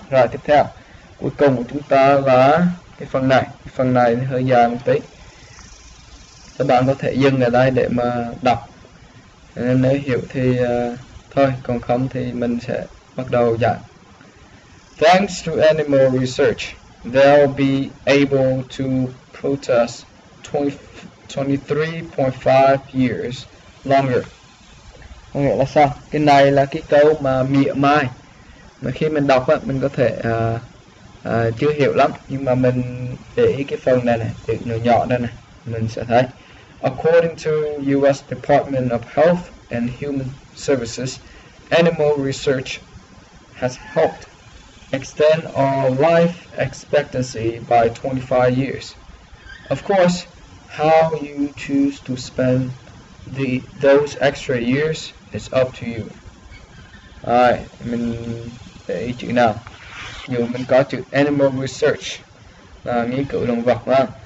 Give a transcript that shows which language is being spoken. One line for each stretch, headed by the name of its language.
Vietnamese: Rồi tiếp theo, cuối cùng chúng ta là cái phần này hơi dài một tí. Các bạn có thể dừng ở đây để mà đọc. Nên nếu hiểu thì thôi, còn không thì mình sẽ bắt đầu giảng.
English: Thanks to animal research, they'll be able to protest 23.5 years longer.
Vietnamese: Có nghĩa là sao? Cái này là cái câu mà mỉa mai. Mà khi mình đọc á, mình có thể chưa hiểu lắm. Nhưng mà mình để ý cái phần này này, chữ nhỏ nhỏ đây này, mình sẽ thấy.
English: According to US Department of Health and Human Services, animal research has helped extend our life expectancy by 25 years. Of course, how you choose to spend those extra years is up to you.
Vietnamese: Rồi, mình để ý chữ nào. Dù mình có chữ animal research là nghiên cứu động vật đó.